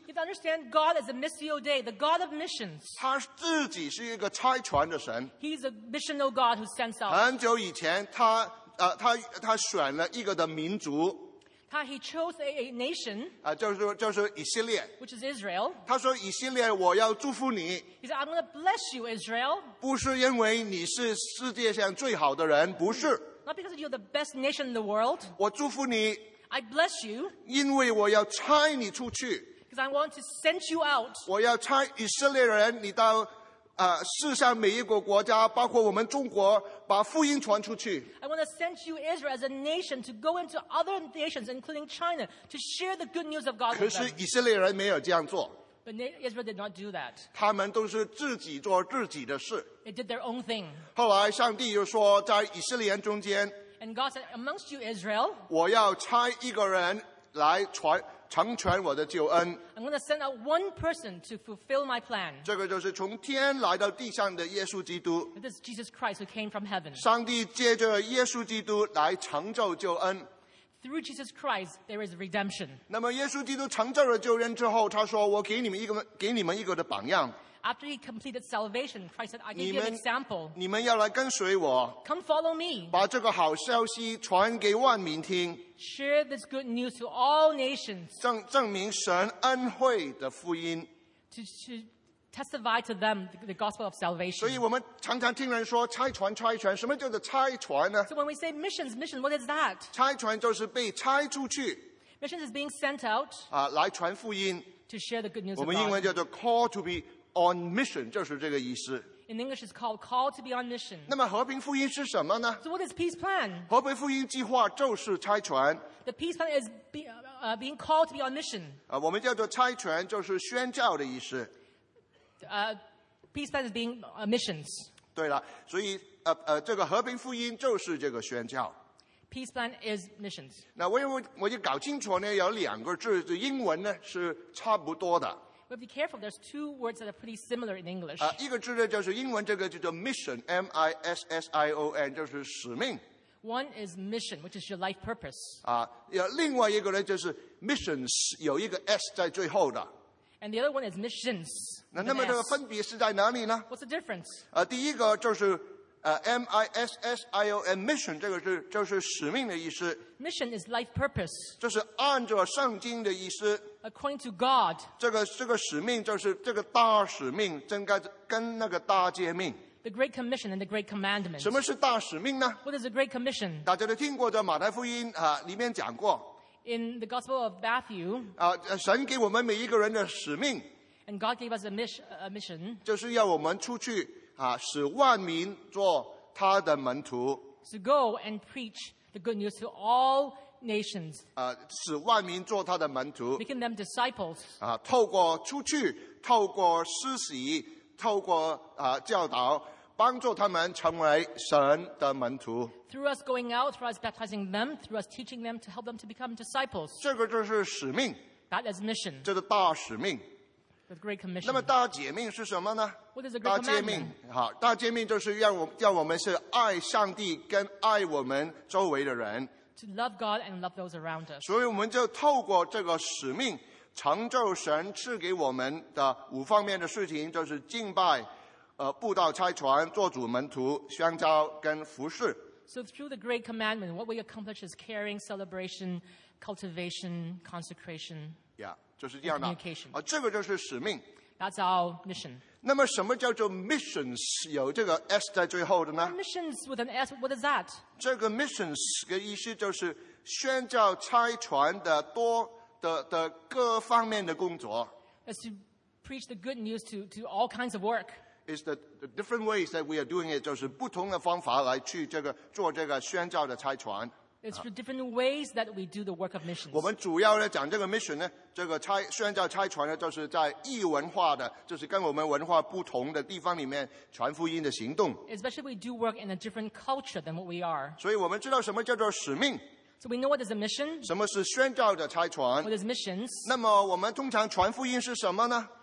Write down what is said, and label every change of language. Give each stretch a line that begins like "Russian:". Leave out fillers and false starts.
English: You have to understand God is a missio Dei, the God of missions.
Chinese: 他自己是一个差传的神。
English: He's a missional God who sends out.
Chinese: 很久以前他选了一个的民族。
English: He chose a nation,
Chinese: 就是以色列,
English: which is Israel.
Chinese: 他说以色列, 我要祝福你,
English: he said, I'm going to bless you, Israel.
Chinese: 不是因为你是世界上最好的人, 不是,
English: not because you're the best nation in the world.
Chinese: 我祝福你,
English: I bless you.
Chinese: 因为我要差你出去,
English: because I want to send you out.
Chinese: 我要差以色列人, 你到, 世上每一个国家, 包括我们中国, 把福音传出去。
English: I want to send you Israel as a nation to go into other nations, including China, to share the good news of God with them.
Chinese: 可是以色列人没有这样做。
English: But Israel did not do that.
Chinese: 他们都是自己做自己的事。
English: They did their own thing.
Chinese: 后来上帝又说, 在以色列人中间,
English: and God said, amongst you Israel,
Chinese: 我要差一个人来传, 成全我的救恩。
English: I'm going to send out one person to fulfill my plan.
Chinese: 这个就是从天来到地上的耶稣基督。
English: This is Jesus Christ who came from heaven.
Chinese: 上帝借着耶稣基督来成就救恩。
English: Through Jesus Christ, there is redemption.
Chinese: 那么耶稣基督成就了救恩之后, 他说, 我给你们一个的榜样。
English: After he completed salvation, Christ said, I give you an example.
Chinese: 你们要来跟随我,
English: come follow me.
Chinese: 把这个好消息传给万民听,
English: share this good news to all nations.
Chinese: 证明神恩惠的福音,
English: to testify to them the gospel of salvation.
Chinese: 所以我们常常听人说, 拆传, 什么叫做拆传呢?
English: So when we say missions, mission, what is that?
Chinese: 拆传就是被拆出去,
English: mission is being sent out,
Chinese: 来传福音,
English: to share the good news of God.
Chinese: 我们英文叫做
English: call to be on mission,
Chinese: 就是这个意思。
English: In English, it's called call to be on mission.
Chinese: 那么和平福音是什么呢?
English: So what is peace plan?
Chinese: 和平福音计划就是拆传。
English: The peace plan is being called to be on mission.
Chinese: 我们叫做拆传, 就是宣教的意思。
English: Peace plan is being missions.
Chinese: 对了, 所以, 这个和平福音就是这个宣教。
English: Peace plan is missions.
Chinese: 那我就搞清楚呢, 有两个字, 英文呢, 是差不多的。
English: But be careful, there's two words that are pretty similar in English.
Chinese: 一个字呢就是英文这个叫做 mission, M-I-S-S-I-O-N, 就是使命。
English: One is mission, which is your life purpose.
Chinese: 另外一个呢就是 missions, 有一个 S在最后的。
English: And the other one is missions.
Chinese: 那么这个分别是在哪里呢?
English: What's the difference?
Chinese: 第一个就是 M-I-S-S-I-O-N, mission, 这个是, 就是使命的意思。
English: Mission is life purpose.
Chinese: 这是按照圣经的意思。
English: According to God.
Chinese: 这个使命就是这个大使命, 跟那个大诫命。
English: The Great Commission and the Great Commandment.
Chinese: 什么是大使命呢?
English: What is the Great Commission?
Chinese: 大家都听过的马太福音, 里面讲过。
English: In the Gospel of Matthew.
Chinese: 神给我们每一个人的使命。
English: And God gave us a mission.
Chinese: 就是要我们出去。使万民做他的门徒,
English: so go and preach the good news to all nations.
Chinese: 使万民做他的门徒,
English: making them disciples.
Chinese: 透过出去, 透过施洗, 透过, 教导, 帮助他们成为神的门徒。
English: Through us going out, through us baptizing them, through us teaching them to help them to become disciples.
Chinese: 这个就是使命,
English: that is mission.
Chinese: 这是大使命。
English: The Great Commission.
Chinese: 那么大诫命是什么呢?
English: What is the Great Commandment?
Chinese: 好, 大诫命就是让我们是爱上帝跟爱我们周围的人。
English: To love God and love those around us.
Chinese: 所以我们就透过这个使命, 成就神赐给我们的五方面的事情, 就是敬拜, 布道拆传, 做主门徒, 相交跟服侍。
English: So through the Great Commandment, what we accomplish is caring, celebration, cultivation, consecration. Yeah.
Chinese: 就是这样的, 这个就是使命。
English: That's our mission.
Chinese: 那么什么叫做 missions, 有这个S在最后的呢?
English: Missions with an S, what is that?
Chinese: 这个 missions 的意思就是宣教拆传的多的各方面的工作。
English: is to preach the good news to all kinds of work. It's the different ways that we are doing it,
Chinese: 就是不同的方法来去做这个宣教的差传。
English: It's for different ways that we do the work of missions.
Chinese: 我们主要讲这个mission呢, 这个宣教差传呢, 就是在异文化的, 就是跟我们文化不同的地方里面传福音的行动。
English: Especially we do work in a different culture than what we are.
Chinese: 所以我们知道什么叫做使命。
English: So we know what is a mission.
Chinese: 什么是宣教的差传。
English: What is missions.
Chinese: 那么我们通常传福音是什么呢?